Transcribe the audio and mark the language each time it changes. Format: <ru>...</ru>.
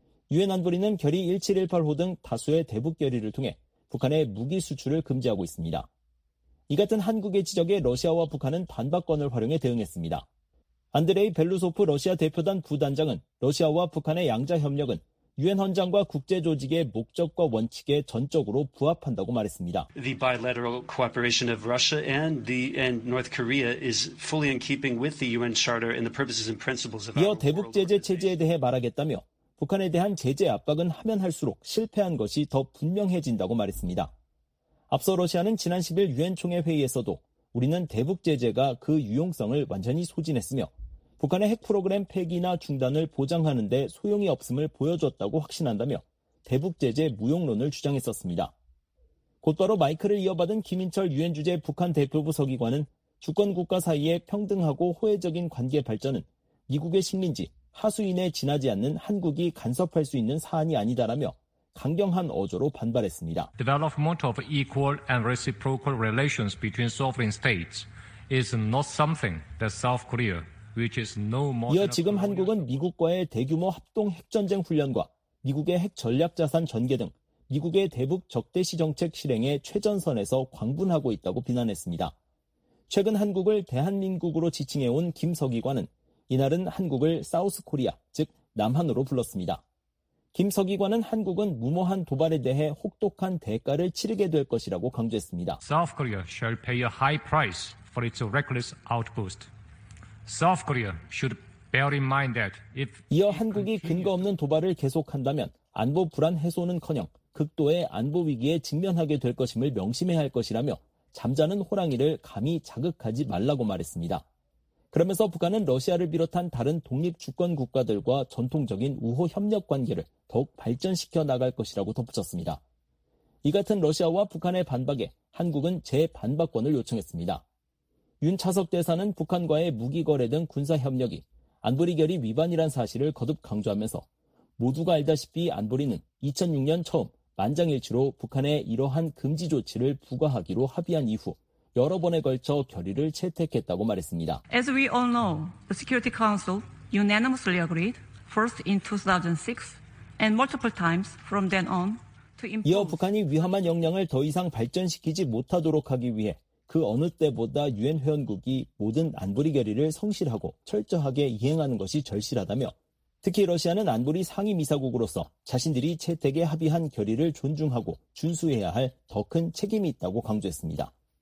<ko>유엔 안보리는 결의 1718호 등 다수의 대북 결의를 통해 북한의 무기 수출을 금지하고 있습니다. 이 같은 한국의 지적에 러시아와 북한은 반박권을 활용해 대응했습니다. 안드레이 벨루소프 러시아 대표단 부단장은 러시아와 북한의 양자협력은 유엔 헌장과 국제조직의 목적과 원칙에 전적으로 부합한다고 말했습니다.</ko> <en>The bilateral cooperation of Russia and North Korea is fully in keeping with the UN Charter and the purposes and principles of our</en> <ko>이어 대북 제재 체제에 대해 말하겠다며 북한에 대한 제재 압박은 하면 할수록 실패한 것이 더 분명해진다고 말했습니다. 앞서 러시아는 지난 10일 유엔 총회 회의에서도 우리는 대북 제재가 그 유용성을 완전히 소진했으며 북한의 핵 프로그램 폐기나 중단을 보장하는 데 소용이 없음을 보여줬다고 확신한다며 대북 제재 무용론을 주장했었습니다. 곧바로 마이크를 이어받은 김인철 유엔 주재 북한 대표부 서기관은 주권 국가 사이의 평등하고 호혜적인 관계 발전은 미국의 식민지, 하수인에 지나지 않는 한국이 간섭할 수 있는 사안이 아니다라며 강경한 어조로 반발했습니다.</ko> <en>Development of equal and reciprocal relations between sovereign states is not something that South Korea, which is no more.</en> <ko>이어 지금 한국은 미국과의 대규모 합동 핵전쟁 훈련과 미국의 핵 전략 자산 전개 등 미국의 대북 적대시 정책 실행의 최전선에서 광분하고 있다고 비난했습니다. 최근 한국을 대한민국으로 지칭해 온 김 서기관은 이날은 한국을 사우스 코리아, 즉 남한으로 불렀습니다. 김 서기관은 한국은 무모한 도발에 대해 혹독한 대가를 치르게 될 것이라고 강조했습니다.</ko> <en>South Korea shall pay a high price for its reckless outburst. South Korea should bear in mind that if</en> <ko>이어 한국이 근거 없는 도발을 계속한다면 안보 불안 해소는커녕 극도의 안보 위기에 직면하게 될 것임을 명심해야 할 것이라며 잠자는 호랑이를 감히 자극하지 말라고 말했습니다. 그러면서 북한은 러시아를 비롯한 다른 독립주권 국가들과 전통적인 우호 협력 관계를 더욱 발전시켜 나갈 것이라고 덧붙였습니다. 이 같은 러시아와 북한의 반박에 한국은 재반박권을 요청했습니다. 윤 차석 대사는 북한과의 무기 거래 등 군사 협력이 안보리 결의 위반이란 사실을 거듭 강조하면서 모두가 알다시피 안보리는 2006년 처음 만장일치로 북한에 이러한 금지 조치를 부과하기로 합의한 이후 여러 번에 걸쳐 결의를 채택했다고 말했습니다.</ko> <en>As we all know, the Security Council unanimously agreed first in 2006 and multiple times from then on to impose.</en> <ko>이어 북한이 위험한 역량을 더 이상 발전시키지 못하도록 하기 위해 그 어느 때보다 유엔 회원국이 모든 안보리 결의를 성실하고 철저하게 이행하는 것이 절실하다며 특히 러시아는 안보리 상임이사국으로서 자신들이 채택에 합의한 결의를 존중하고 준수해야 할 더 큰 책임이 있다고 강조했습니다.</ko>